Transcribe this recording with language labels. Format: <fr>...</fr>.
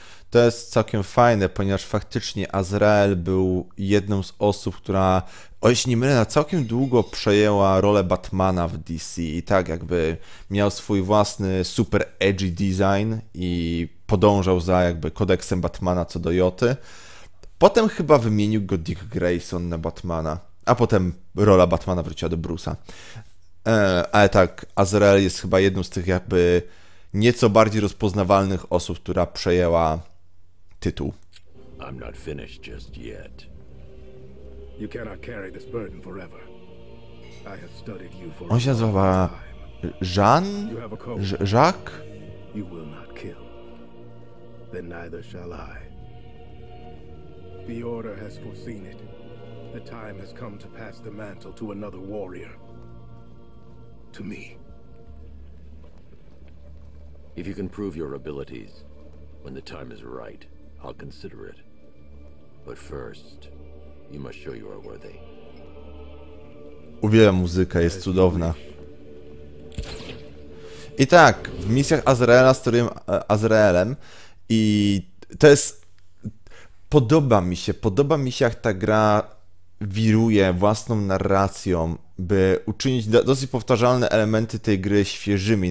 <pl>To jest całkiem fajne, ponieważ faktycznie Azrael był jedną z osób, która, o jeśli nie mylę, na całkiem długo przejęła rolę Batmana w DC i tak jakby miał swój własny super edgy design i podążał za jakby kodeksem Batmana co do Joty. Potem chyba wymienił go Dick Grayson na Batmana, a potem rola Batmana wróciła do Bruce'a. Ale tak, Azrael jest chyba jedną z tych jakby nieco bardziej rozpoznawalnych osób, która przejęła tytuł.</pl> <en>I'm not finished just yet. You cannot carry this burden forever. I have studied you for a long time.</en> <pl>On się nazywa Jean? Jacques?</pl> <en>You will not kill. Then neither shall I. The order has foreseen it. The time has come to pass the mantle to another warrior. To me. If you can prove your abilities, when the time is right, I'll consider it. But first, you must show you are worthy.</en> <pl>Uwielbiam muzykę, jest cudowna. I tak, w misjach Azraela sterujemy Azraelem i to jest... Podoba mi się, jak ta gra wiruje własną narracją, by uczynić dosyć powtarzalne elementy tej gry świeżymi.</pl>